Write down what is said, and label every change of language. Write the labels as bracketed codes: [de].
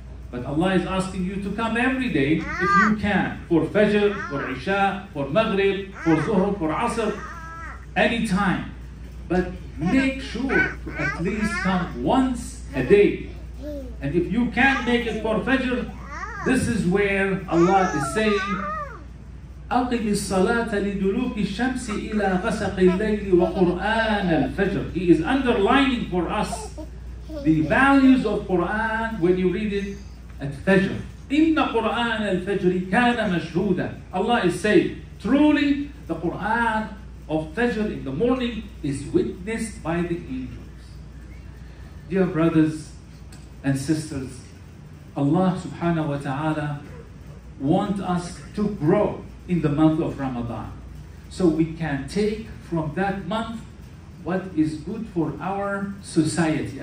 [en] But Allah is asking you to come every day if you can, for Fajr, for Isha, for Maghrib, for Zuhr, for Asr, anytime. But make sure to at least come once a day. And if you can't make it for Fajr, this is where Allah is saying, [ar] أقم الصلاة لدلوك الشمس إلى غسق الليل وقرآن الفجر. [en] He is underlining for us the values of Quran when you read it at Fajr. [ar] إن قرآن الفجر كان مشهودا. [en] Allah is saying, truly the Quran of Fajr in the morning is witnessed by the angels. Dear brothers and sisters, Allah subhanahu wa ta'ala wants us to grow in the month of Ramadan, so we can take from that month what is good for our society.